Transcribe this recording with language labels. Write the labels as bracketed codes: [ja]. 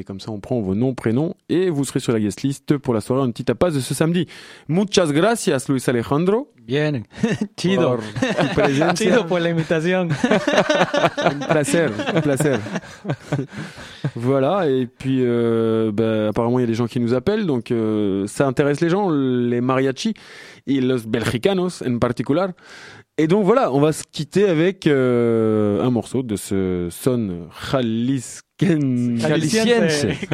[fr] Et comme ça on prend vos noms, prénoms, et vous serez sur la guest list pour la soirée un petit tapas de ce samedi. [es] Muchas gracias Luis Alejandro. Bien, chido por tu presencia. Chido por la invitación. Un placer. [fr] Voilà, et puis apparemment il y a des gens qui nous appellent, donc ça intéresse les gens, les mariachis et [es] los belgicanos en particular. [fr] Et donc voilà, on va se quitter avec un morceau de ce son jalisciense.